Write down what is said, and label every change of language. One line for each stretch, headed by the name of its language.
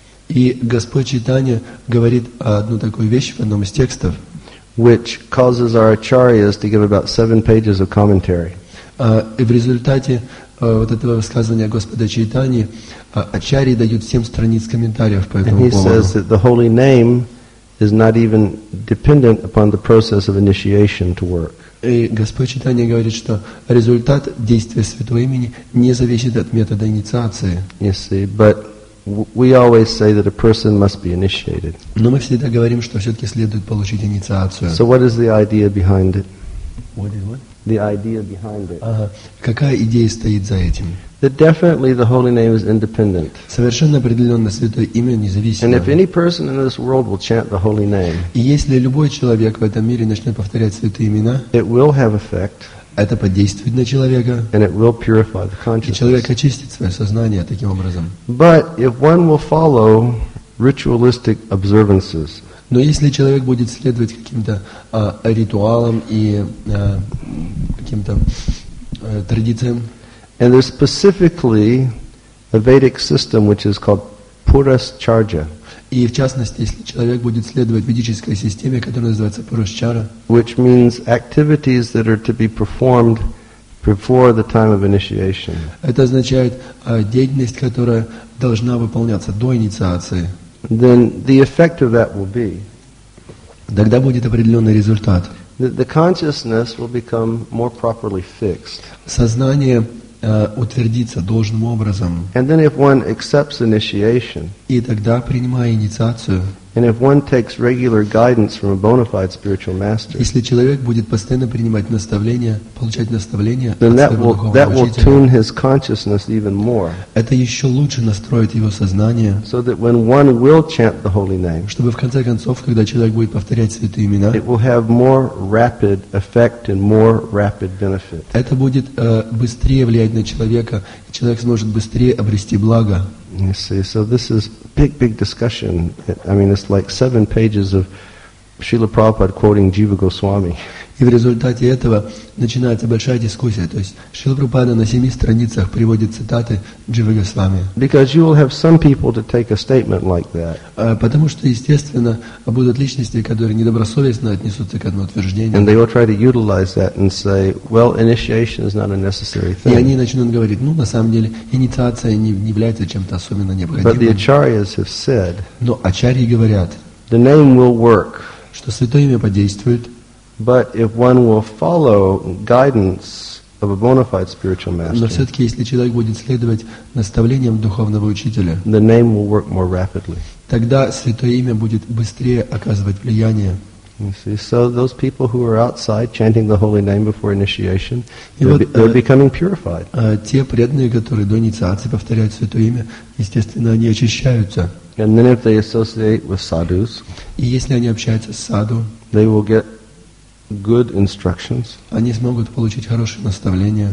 Russian: И Господь Чайтанья говорит одну такую вещь в одном из текстов,
English: which causes our acharyas to give about 7 pages of commentary.
Russian: В результате вот этого высказывания Господа Чайтаньи ачарьи дают 7 страниц комментариев по этому поводу.
English: And he says that the holy name is not even dependent upon the process of initiation to work.
Russian: И Господь Чайтанья говорит, что результат действия святого имени не зависит от метода инициации.
English: You see, but we always say that a person must be initiated.
Russian: Но мы всегда говорим, что все-таки следует получить инициацию.
English: So what is the idea behind it? What is what? The idea behind it.
Russian: Какая идея стоит за этим?
English: That definitely the holy name is independent.
Russian: Совершенно определенно святое имя независимо.
English: And if any person in this world will chant the holy name,
Russian: и если любой человек в этом мире начнет повторять святые имена,
English: it will have effect.
Russian: это подействует на человека,
English: and it will purify the consciousness.
Russian: И человек очистит свое сознание таким образом.
English: But if one will follow ritualistic observances,
Russian: но если человек будет следовать каким-то ритуалам и каким-то традициям,
English: and there's specifically a Vedic system which is called Purushcharya.
Russian: И в частности, если человек будет следовать ведической системе, которая называется Purushchara,
English: which means activities that are to be performed before the time of initiation.
Russian: Это означает деятельность, которая должна выполняться до инициации.
English: Then the effect of that will be.
Russian: Тогда будет определенный результат.
English: The consciousness will become more properly fixed.
Russian: Сознание утвердиться должным образом.
English: And then if one accepts initiation,
Russian: и тогда, принимая инициацию,
English: and if one takes regular guidance from a bona fide spiritual master,
Russian: если человек будет постоянно принимать наставления, получать наставления от своего духовного
English: that will tune his consciousness even more.
Russian: Это еще лучше настроит его сознание,
English: so that when one will chant the holy name,
Russian: чтобы в конце концов, когда человек будет повторять святые имена,
English: it will have more rapid effect and more rapid benefit.
Russian: Это будет быстрее влиять на человека, и человек сможет быстрее обрести благо.
English: You see, so this is big discussion. It's like 7 pages of Srila Prabhupada quoting Jiva Goswami.
Russian: И в результате этого начинается большая дискуссия. То есть Шрила Прабхупада на 7 страницах приводит цитаты Дживы Госвами.
English: Because you will have some people to take a statement like that.
Russian: Потому что, естественно, будут личности, которые недобросовестно отнесутся к одному утверждению.
English: And they will try to utilize that and say, well, initiation is not a necessary thing.
Russian: И они начнут говорить, ну, на самом деле, инициация не является чем-то особенно необходимым.
English: But the Acharyas have said,
Russian: но Ачарьи говорят,
English: the name will work,
Russian: что святое имя подействует.
English: But if one will follow guidance of a bona fide spiritual master,
Russian: но все-таки если человек будет следовать наставлениям духовного учителя,
English: the name will work more rapidly.
Russian: Тогда святое имя будет быстрее оказывать влияние.
English: You see, so those people who are outside chanting the holy name before initiation, they're becoming purified.
Russian: Те преданные, которые до инициации повторяют святое имя, естественно, они очищаются.
English: And then if they associate with sadhus,
Russian: и если они общаются с саду,
English: they will get good instructions.
Russian: Они смогут получить хорошие наставления.